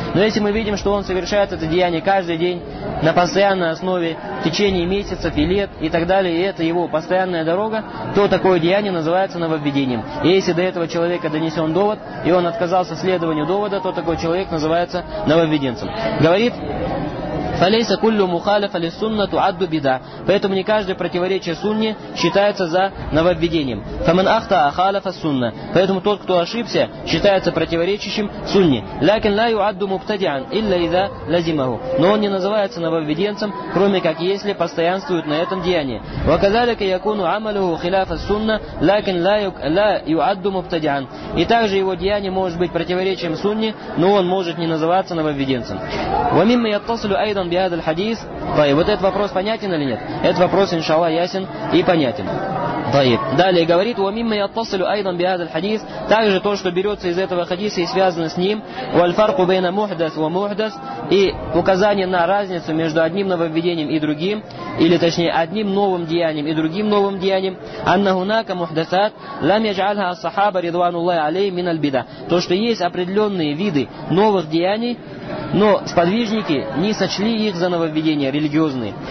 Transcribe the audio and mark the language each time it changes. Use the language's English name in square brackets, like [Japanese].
[Russian] Но если мы видим, что он совершает это деяние каждый день на постоянной основе в течение месяцев и лет и так далее, и это его постоянная дорога, то такое деяние называется нововведением. И если до этого человека донесен довод, и он отказался следованию довода, то такой человек называется нововведенцем. Говорит... [Arabic] فليس كل مخالف للسنة تعد بدعة. [Russian] Поэтому не каждое противоречие сунне считается за нововведением. [Arabic] فمن أخطأ خالف السنة. [Russian] Поэтому тот, кто ошибся, считается противоречащим сунне. [Arabic] لكن لا يعد مبتدعا إلا إذا لزمه. [Russian] Но он не называется нововведенцем, кроме как если постоянствует на этом деянии. [Arabic] وكذلك يكون عمله خلاف السنة لكن لا يعد مبتدعا. [Russian] И также его деяние может быть противоречием сунне, но он может не называться нововведенцем. [Arabic] ومما يتصل أيضا بهذا الحديث. [Russian] طيب, вот этот вопрос понятен или нет? Этот вопрос, иншаллах, ясен и понятен. [Arabic] طيب. [Russian] Далее говорит: [Arabic] ومما يتصل أيضا بهذا الحديث, [Russian] также то, что берется из этого хадиса и связано с ним, [Arabic] والفرق بين محدث ومحدث, [Russian] и указание на разницу между одним нововведением и другим, или точнее одним новым деянием и другим новым деянием, [Arabic] أن هناك محدثات لم يجعلها الصحابة رضوان الله عليهم من البدع, [Russian] то, что есть определенные виды новых деяний, но сподвижники не сочли их за нововведения религиозные.